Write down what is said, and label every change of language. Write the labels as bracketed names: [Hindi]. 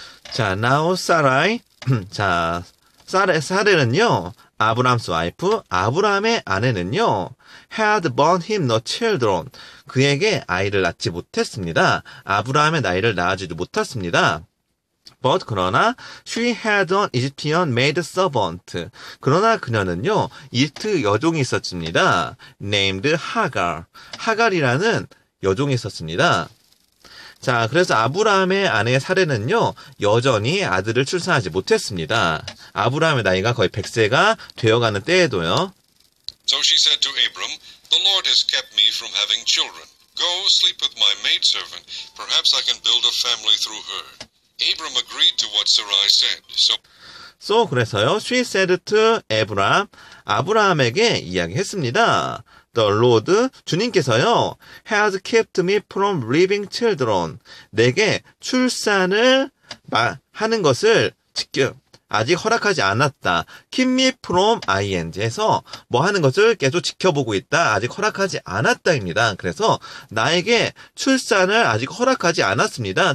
[English] 자, now Sarai. 자, Sarai는요, 아브람's wife, [Korean] 아브람의 아내는요, [English] had borne him no children. [Korean] 그에게 아이를 낳지 못했습니다. 아브람의 나이를 낳아주지 못했습니다. [English] But, 그러나, she had an Egyptian maid servant. [Korean] 그러나 그녀는요, 이집트 여종이 있었습니다. [English] named Hagar. [Korean] Hagar이라는 여종이 있었습니다. 자, 그래서 아브라함의 아내 사례는요, 여전히 아들을 출산하지 못했습니다. 아브라함의 나이가 거의 100세가 되어가는 때에도요. [English] So she said to Abram, The Lord has kept me from having children. Go sleep with my maidservant. Perhaps I can build a family through her. Abram agreed to what Sarai said. So 그래서요, she said to Abram, [Korean] 아브라함에게 이야기했습니다. [English] The Lord, 주님께서요, has kept me from leaving children. [Korean] 내게 출산을 하는 것을 지켜 아직 허락하지 않았다. [English] Keep me from ing에서 [Korean] 뭐 하는 것을 계속 지켜보고 있다. 아직 허락하지 않았다입니다. 그래서 나에게 출산을 아직 허락하지 않았습니다.